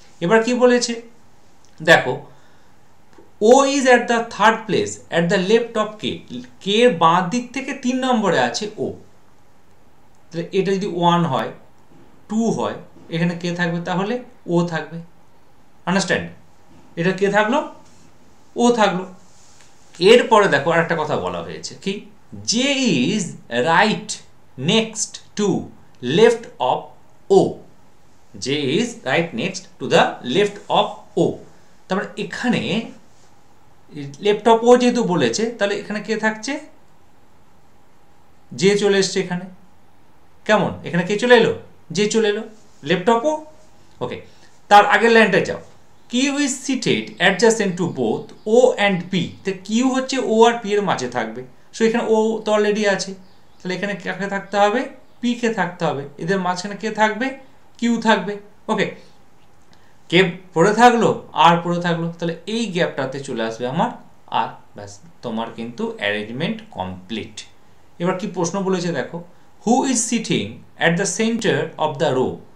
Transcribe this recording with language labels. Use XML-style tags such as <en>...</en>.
<bn>এবার কি বলেছে দেখো,</bn> <en>ও is at the third place at the laptop কে,</en> <bn>কে বাঁ দিক থেকে 3 নম্বরে আছে ও, তাহলে এটা যদি 1 হয় 2 হয় এখানে কে থাকবে, তাহলে ও থাকবে, আন্ডারস্ট্যান্ড, এটা কে থাকলো, ও থাকলো। এরপরে দেখো আর একটা কথা বলা হয়েছে, কি</bn> <en>J is right next to left of O. J is right next to the left of O.</en> <bn>তারপর এখানে left of O যেহেতু বলেছে তাহলে এখানে কে থাকছে? J চলে এসছে এখানে। কেমন? এখানে কে চলে এলো? J চলে এলো।</bn> <en>left of O?</en> <bn>ওকে। তার আগের লাইনটা যাও।</bn> <en>Q is seated adjacent to both O and P.</en> <bn>তো Q হচ্ছে O আর P এর মাঝে থাকবে। সো এখানে O তো অলরেডি আছে। তাহলে এখানে কাকে থাকতে হবে? P কে থাকতে হবে। এদের মাঝখানে কে থাকবে? Q থাকবে। ওকে। কে পড়ে থাকলো? R পড়ে থাকলো। তাহলে এই গ্যাপটাতে চলে আসবে আমার R। ব্যাস তোমার কিন্তু অ্যারেঞ্জমেন্ট কমপ্লিট। এবার কি প্রশ্ন বলেছে দেখো।</bn> <en>Who is sitting at the center of the row?</en>